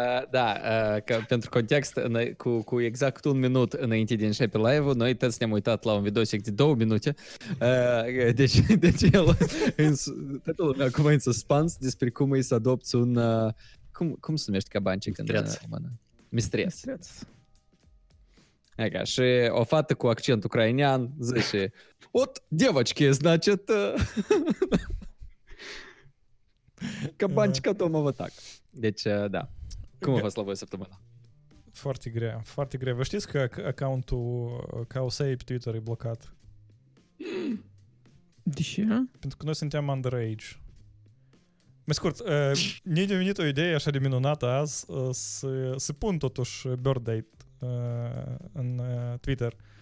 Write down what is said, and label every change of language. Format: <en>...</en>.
<ro>Da, pentru context, cu exact un minut înainte din Shepi Live-ul, noi toți ne-am uitat la un videosec de 2 minute, deci el, toată lumea acum e în suspans despre cum e să adopți un, cum se numește cabanchic? Mistreț. Ага, și o fată cu accent ucrainean zice,</ro> <ru>от девочки, значит, кабанчика дома вот так.</ru> <ro>Deci, да. Cum a fost la voi săptămâna? Foarte grea, foarte grea. Vă știți că accountul Chaosei pe Twitter e blocat? De ce? Pentru că noi suntem underage. Mai scurt, ne-a devenit o idee așa de minunată azi să pun totuși birth date în Twitter.</ro>